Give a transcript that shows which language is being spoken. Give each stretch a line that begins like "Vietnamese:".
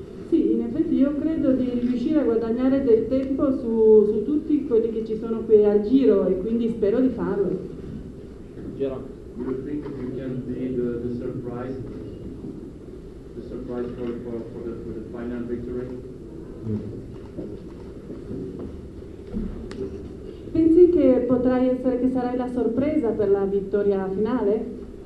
Italian: Sì, in effetti io credo di riuscire a guadagnare del tempo su tutti quelli che ci sono qui al giro e quindi spero di farlo. Giro.
English: Do you think you can be the surprise for the final victory?
Italian: Pensi che potrai essere che sarai la sorpresa per la vittoria finale?